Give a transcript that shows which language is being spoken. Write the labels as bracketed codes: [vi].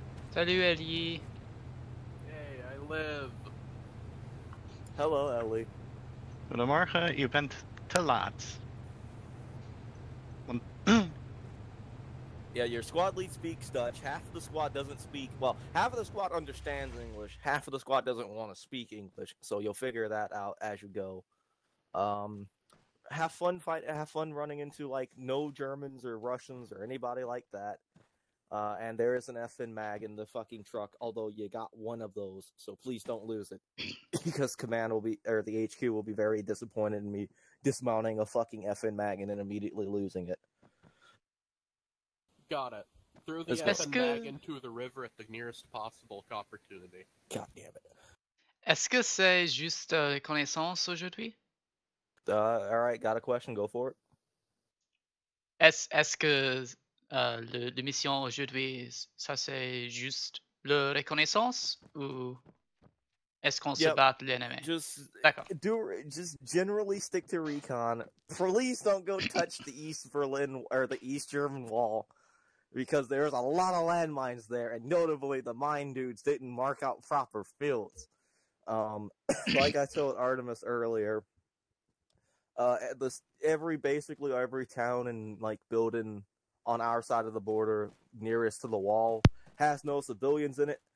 [fr] Salut, Ellie. [en] Live. Hello, Ellie. [nl] Goedemorgen, je bent te laat. [en] Yeah, your squad lead speaks Dutch, half of the squad doesn't speak, well, half of the squad understands English, half of the squad doesn't want to speak English, so you'll figure that out as you go. Have fun running into, like, no Germans or Russians or anybody like that. And there is an FN mag in the fucking truck, although you got one of those, so please don't lose it. Because command will be, or the HQ will be very disappointed in me dismounting a fucking FN mag and then immediately losing it. Got it. Throw the FN mag into the river at the nearest possible opportunity. God damn it. [fr] Est-ce que c'est juste reconnaissance aujourd'hui? [en] Alright, got a question, go for it. [fr] Est-ce que... le mission aujourd'hui, ça c'est juste le reconnaissance ou est-ce qu'on se bat l'ennemi? [en] Just generally stick to recon. Please don't go touch the East Berlin or the East German wall because there's a lot of landmines there, and notably the mine dudes didn't mark out proper fields. like I told Artemis earlier, every town and like building on our side of the border, nearest to the wall, has no civilians in it.